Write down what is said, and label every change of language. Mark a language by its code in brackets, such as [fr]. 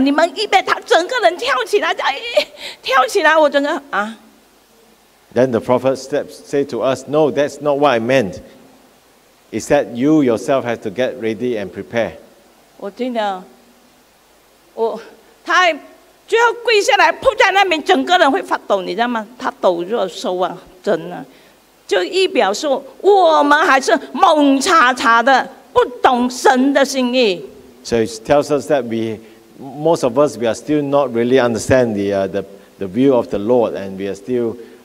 [zh] 你们预备，他整个人跳起来，跳起来！我整个啊。 [en] Then the prophet said to us, "No, that's not what I meant. It's that you yourself have to get ready and prepare." [zh] 我听了，他最后跪下来，扑在那边，整个人会发抖，你知道吗？他抖着手啊，真的，就一表说我们还是蒙查查的，不懂神的心意。 [en] So it tells us that most of us are still not really understand the view of the Lord, and we are still,